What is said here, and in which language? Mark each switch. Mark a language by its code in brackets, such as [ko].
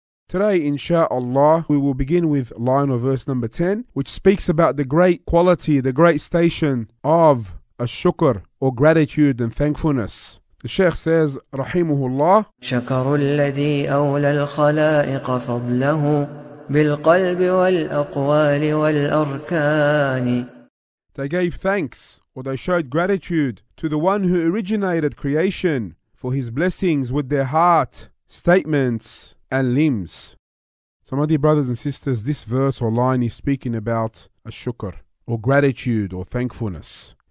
[en] Today, insha'Allah, we will begin with line of verse number 10, which speaks about the great quality, the great station of الشكر or gratitude and thankfulness. The Sheikh says, Rahimuhullah, [ar] شكر الذي أولى الخلائق فضله بالقلب والأقوال والأركان. [en] They gave thanks, or they showed gratitude to the one who originated creation for his blessings with their heart, statements, and limbs. So my dear brothers and sisters, this verse or line is speaking about الشكر or gratitude or thankfulness.